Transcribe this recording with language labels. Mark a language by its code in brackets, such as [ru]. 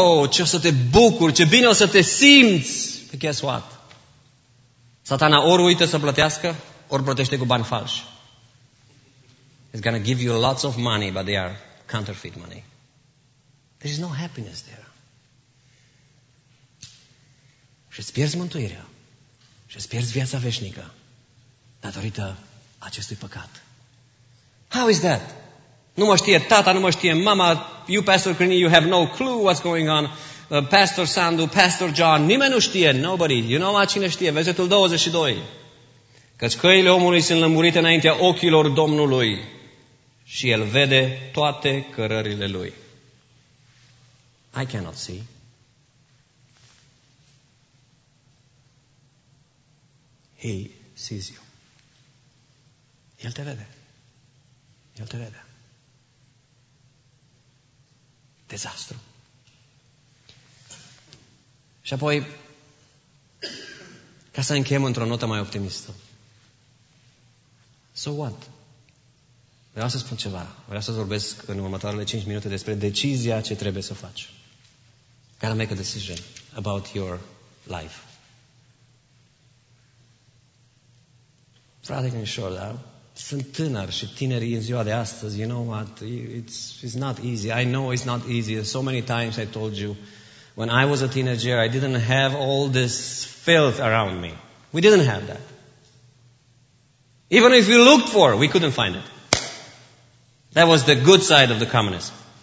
[ro] Ce o să te bucuri, ce bine o să te simți. [en] But guess what? [ro] Satana ori uită să plătească, ori plătește cu bani falși. [en] It's going to give you lots of money, but they are counterfeit money. There is no happiness there. [ro] Și îți pierzi mântuirea. Și îți pierzi viața veșnică. Datorită acestui păcat. [en] How is that? [ro] Nu mă știe tata, nu mă știe mama. [en] You, Pastor Crini, you have no clue what's going on. [ro] Pastor Sandu, Pastor John. Nimeni nu știe. [en] Nobody. You know what? [ro] Cine știe? Versetul 22. Căci căile omului sunt lămurite înaintea ochilor Domnului. Și el vede toate cărările lui. [en] I cannot see. He sees you. [ro] El te vede. El te vede. Dezastru. Și apoi, ca să încheiem într-o notă mai optimistă. [en] So what? [ro] Vreau să spun ceva. Vreau să vorbesc în următoarele 5 minute despre decizia ce trebuie să faci. [en] Gotta make a decision about your life. [ro] Frate, sure, da? Sunt tânăr și tineri în ziua de astăzi. [en] You know what? It's not easy. I know it's not easy. So many times I told you, when I was a teenager, I didn't have all this filth around me. We didn't have that. Even if we looked for, we couldn't find it. That was the good side of the communism.